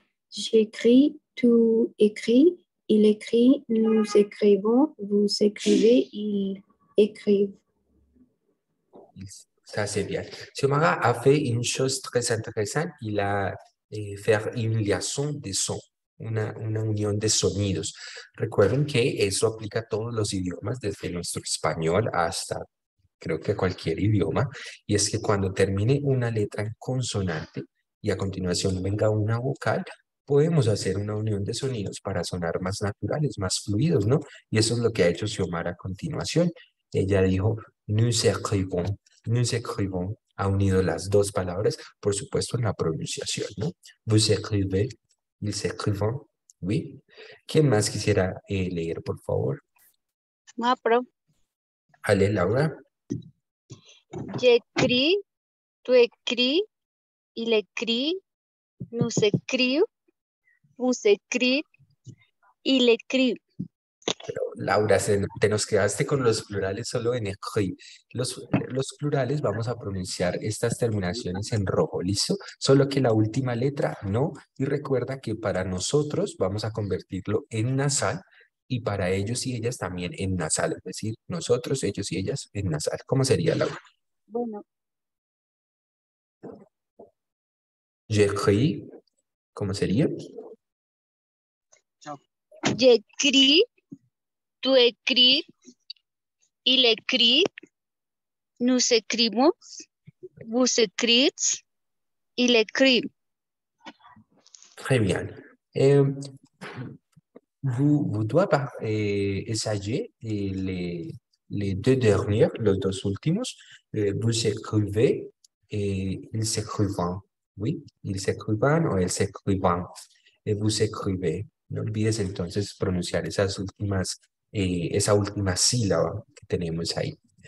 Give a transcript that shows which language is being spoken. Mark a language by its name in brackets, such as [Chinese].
[French] J'écris, tu écris, il écrit, nous écrivons, vous écrivez, ils écrivent. Ça, c'est bien. Xiomara a fait une chose très intéressante, il a fait une liaison de sons, [Spanish] una unión de sonidos. Recuerden que eso aplica a todos los idiomas, desde nuestro español hasta creo que cualquier idioma, y es que cuando termine una letra en consonante, y a continuación venga una vocal, podemos hacer una unión de sonidos para sonar más naturales, más fluidos, ¿no? Y eso es lo que ha hecho Xiomara a continuación. Ella dijo, [French] nous écrivons, [Spanish] ha unido las dos palabras, por supuesto, en la pronunciación, ¿no? [French] Vous écrivez, ils écrivent, oui. [Spanish] ¿Quién más quisiera leer, por favor? No, pro. Ale, Laura. [French] J'écris, tu écris. Il écrit, nous écrivons, vous écrivez, il écrit. [Spanish] Pero Laura, te nos quedaste con los plurales solo en écrit. Los plurales vamos a pronunciar estas terminaciones en rojo, ¿listo? Solo que la última letra no. Y recuerda que para nosotros vamos a convertirlo en nasal y para ellos y ellas también en nasal. Es decir, nosotros, ellos y ellas en nasal. ¿Cómo sería, Laura? Bueno. J'écris, ¿cómo sería? [French] J'écris, tu écris, il écrit, nous écrivons, vous écrivez, il écrit. Très bien. Vous devez essayer les deux dernières, les deux últimos. Vous écrivez et ils écrivent. Oui, ils écrivent ou ils écrivent. Et vous écrivez. [Spanish] No olvides entonces pronunciar esas últimas, esa última sílaba que tenemos ahí.